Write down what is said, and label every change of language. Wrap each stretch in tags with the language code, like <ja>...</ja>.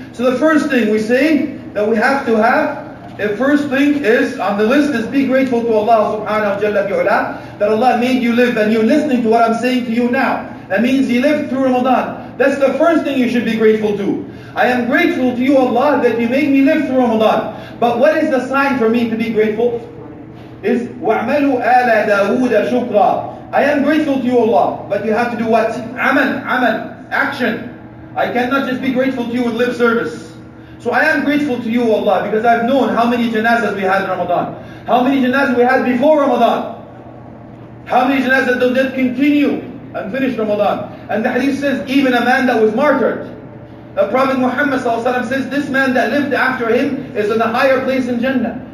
<en>So the first thing we say that we have to have, the first thing is on the list is be grateful to Allah subhanahu wa ta'ala that Allah made you live, and you're listening to what I'm saying to you now. That means you lived through Ramadan. That's the first thing you should be grateful to. I am grateful to you, Allah, that you made me live through Ramadan. But what is the sign for me to be grateful?</en> <ar>Is وَعْمَلُوا آلَ دَاوُودَ شُكْرًا.</ar> <en>I am grateful to you, Allah, but you have to do what?</en> <ar>عَمَلْ عَمَلْ</ar> <en>action. I cannot just be grateful to you with lip service. So I am grateful to you, Allah, because I've known how many janazas we had in Ramadan. How many janazas we had before Ramadan. How many janazas did continue and finish Ramadan. And the hadith says, even a man that was martyred. The Prophet Muhammad sallallahu alaihi wasallam says, this man that lived after him is in a higher place in Jannah.</en>